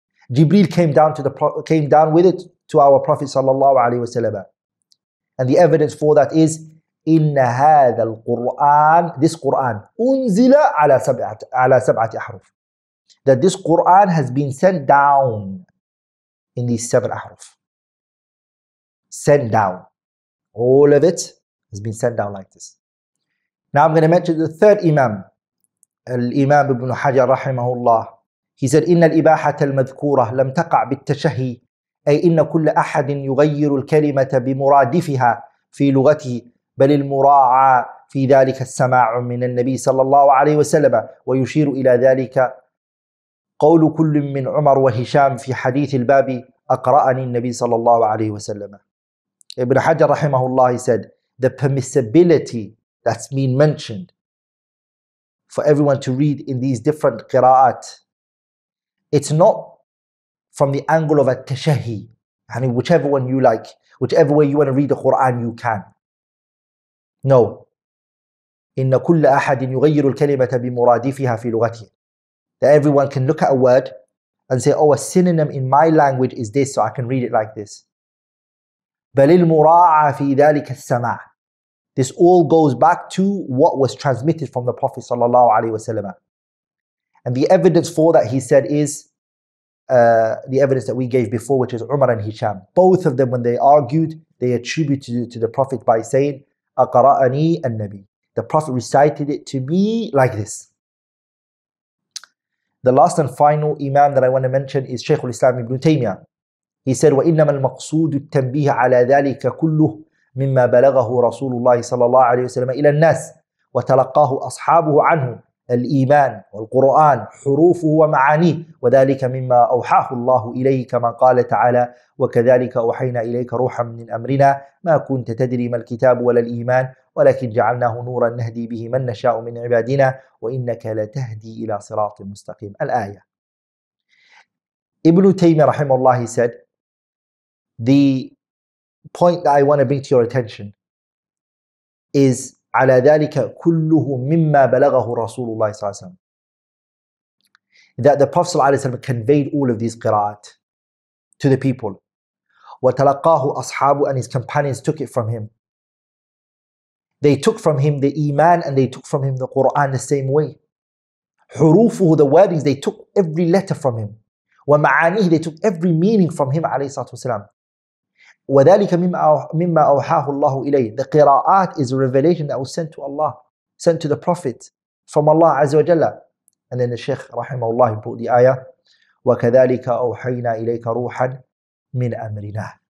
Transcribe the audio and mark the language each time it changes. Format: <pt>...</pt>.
<en>Jibreel came down with it to our Prophet sallallahu alaihi wasallam, and the evidence for that is</en> <ar>إن هذا القرآن,</ar> <en>this Qur'an,</en> <ar>أنزل على سبعة أحرف,</ar> <en>that this Qur'an has been sent down in these seven أحرف. Sent down. All of it has been sent down like this. Now I'm going to mention the third Imam, Al-Imam Ibn Hajar rahimahullah. He said,</en> <ar>إِنَّ الْإِبَاحَةَ الْمَذْكُورَةَ لَمْ تَقَعْ بِالتَّشَهِي أي إِنَّ كُلَّ أَحَدٍ يُغَيِّرُ الْكَلِمَةَ بِمُرَادِفِهَا فِي لُغَتِهِ بل المراعى في ذلك السماع من النبي صلى الله عليه وسلم ويشير إلى ذلك قول كل من عمر وهشام في حديث الباب أقرأني النبي صلى الله عليه وسلم.</ar> <en>Ibn Hajar رحمه الله, he said, the permissibility that's been mentioned for everyone to read in these different qira'at, it's not from the angle of a tashahi, يعني whichever one you like, whichever way you want to read the Qur'an you can.</en> <ar>No. إِنَّ كُلَّ أَحَدٍ يُغَيِّرُ الْكَلِمَةَ بِمُرَادِفِهَا فِي لُغَتِهِ.</ar> <en>That everyone can look at a word and say, oh, a synonym in my language is this, so I can read it like this.</en> <ar>بَلِ الْمُرَاعَ فِي ذَلِكَ السَّمَعَ.</ar> <en>This all goes back to what was transmitted from the Prophet صلى الله عليه وسلم. And the evidence for that, he said, is the evidence that we gave before, which is Umar and Hisham. Both of them, when they argued, they attributed it to the Prophet by saying,</en> <ar>أقرأني النبي.</ar> <en>The Prophet recited it to me like this. The last and final Imam that I want to mention is Shaykh al-Islam ibn Taymiyyah. He said,</en> <ar>وَإِنَّمَا الْمَقْصُودُ التَّنْبِيهَ عَلَى ذَلِكَ كُلُّهُ مِمَّا بَلَغَهُ رَسُولُ اللَّهِ صَلَى اللَّهِ عَلَيْهِ وَسَلَمَ إِلَى النَّاسِ وَتَلَقَّاهُ أَصْحَابُهُ عَنْهُ الإيمان والقرآن حروفه ومعانيه وذلك مما أوحاه الله إليه كما قال تعالى وكذلك أوحينا إليك روحا من أمرنا ما كنت تدري ما الكتاب ولا الإيمان ولكن جعلناه نورا نهدي به من نشاء من عبادنا وإنك لتهدي إلى صراط مستقيم الآية.</ar> <en>ابن تيمية رحمه الله said, the point that I want to bring to your attention is</en> <ar>على ذلك كله مما بلغه رسول الله صلى الله عليه وسلم,</ar> <en>that the Prophet صلى الله عليه وسلم conveyed all of these قراءات to the people.</en> <ar>وتلقاه أصحابه,</ar> <en>and his companions took it from him. They took from him the إيمان, and they took from him the Quran the same way. حروفه, the wordings, they took every letter from him. ومعانيه, they took every meaning from him</en> <ar>عليه الصلاة والسلام. وذلك مما أوحاه الله إليه.</ar> <en>The qira'at is a revelation that was sent to Allah, sent to the Prophet from Allah عز وجل. And then the Shaykh رحمه الله brought the ayah,</en> <ar>وكذلك أوحينا إليك روحا من أمرنا.</ar>